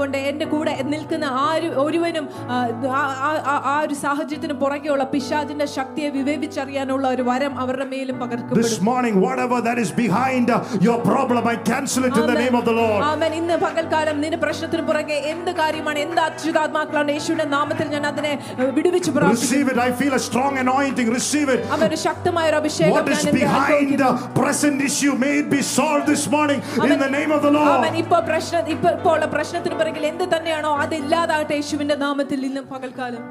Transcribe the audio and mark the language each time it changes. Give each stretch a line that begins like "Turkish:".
Malayalam: എന്റെ കൂടെ നിൽക്കുന്ന ഒരുവനും ആ ഒരു സാഹചര്യത്തിന് പുറകെയുള്ള പിശാചിന്റെ ശക്തിയെ വിവേചിച്ചു അറിയാനുള്ള ഒരു വരം അവരുടെ മേലും പകർക്കപ്പെടും.
English: This morning whatever that is behind your problem I cancel it in the name of the Lord.
Malayalam: ആമേൻ. ഇന്ന് പകൽക്കാലം നിന്റെ പ്രശ്നത്തിനു പുറകെ എന്ത് കാര്യമാണ് എന്ത് അത്യുതാത്മാക്കളാണ് യേശുവിന്റെ നാമത്തിൽ ഞാൻ അതിനെ വിടുവിച്ച് പ്രാർത്ഥിക്കും.
English: Receive it. I feel a strong anointing. Receive it.
Malayalam: ആമേൻ. ഒരു ശക്തമായ ഒരു അഭിഷേകം ഞാൻ അനുഭവിക്കുന്നു.
English: What is behind the present issue may it be solved this morning in the name of the Lord.
Malayalam: ആമേൻ. ഇപ്പോൾ ഉള്ള പ്രശ്നത്തിനു പുറകിൽ എന്ത് തന്നെയാണോ അത് ഇല്ലാതാകട്ടെ യേശുവിന്റെ നാമത്തിൽ ഇന്ന് പകൽക്കാലം.